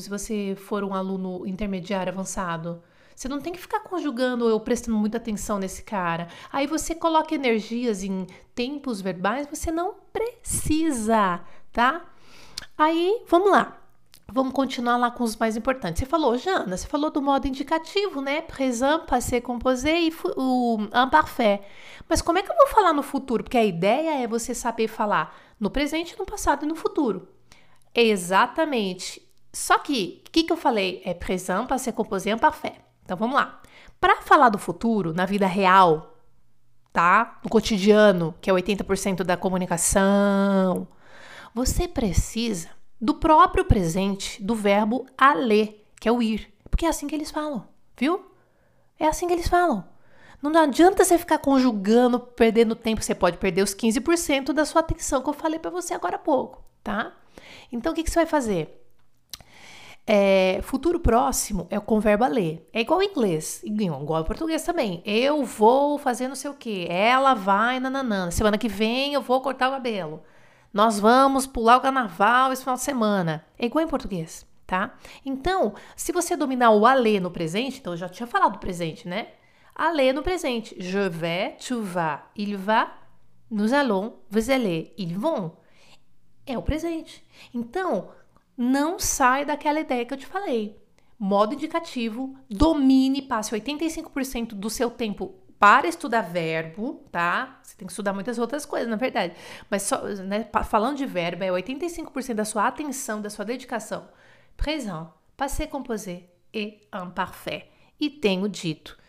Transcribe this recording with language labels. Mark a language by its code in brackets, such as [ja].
[pt] Se você for um aluno intermediário avançado, você não tem que ficar conjugando ou prestando muita atenção nesse cara. Aí você coloca energias em tempos verbais, você não precisa, tá? Aí vamos lá. Vamos continuar lá com os mais importantes. Você falou, Jana, você falou do modo indicativo, né? Présent, passé composé e o imparfait. Mas como é que eu vou falar no futuro? Porque a ideia é você saber falar no presente, no passado e no futuro. Exatamente. Só que, o que eu falei? É présent, passé composé e imparfait. Então vamos lá. Para falar do futuro, na vida real, tá? No cotidiano, que é 80% da comunicação, você precisa do próprio presente do verbo aller, que é o ir, porque é assim que eles falam, viu? É assim que eles falam. Não adianta você ficar conjugando, perdendo tempo, você pode perder os 15% da sua atenção que eu falei para você agora há pouco, tá? Então o que que você vai fazer? Futuro próximo é com o verbo aller. É igual ao inglês, igual ao português também. Eu vou fazer não sei o quê, ela vai nananã. Semana que vem eu vou cortar o cabelo. Nós vamos pular o carnaval esse final de semana. É igual em português, tá? Então, se você dominar o aller no presente, então eu já tinha falado presente, né? Aller no presente. [fr] Je vais, tu vas, il va, nous allons, vous allez, ils vont. [pt] É o presente. Então, não sai daquela ideia que eu te falei. Modo indicativo, domine, passe 85% do seu tempo para estudar verbo, tá? Você tem que estudar muitas outras coisas, na verdade. Mas só, né, falando de verbo, é 85% da sua atenção, da sua dedicação. Présent, passé composé e imparfait. e tenho dito.